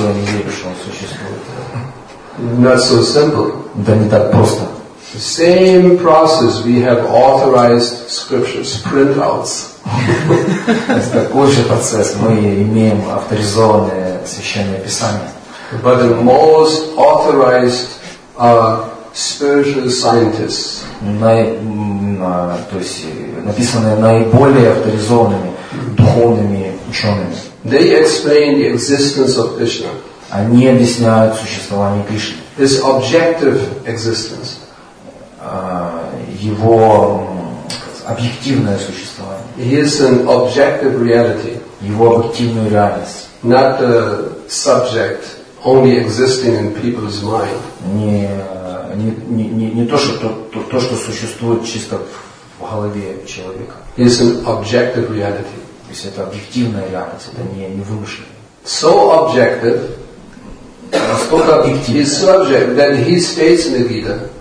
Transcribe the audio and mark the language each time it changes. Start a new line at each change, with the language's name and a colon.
Russian: Я не верю, что он существует.
English: Not so simple.
Russian: Да не так просто.
English: The same process we have authorized scriptures, printouts.
Russian: Такой же процесс мы имеем авторизованное священное писание.
English: But the most authorized spiritual scientists.
Russian: То есть написанные наиболее авторизованными духовными учеными.
English: They explain the existence of Krishna.
Russian: Они объясняют существование Кришны.
English: His objective existence.
Russian: Его объективное существование.
English: He is an objective reality.
Russian: Его объективную реальность.
English: Not the subject only existing in people's mind.
Russian: Не то, что существует чисто в голове человека.
English: It's an objective reality.
Russian: То есть это объективная реальность, это не вымышленное.
English: So objective,
Russian: настолько объективный.
English: His subject, that he states in the Gita,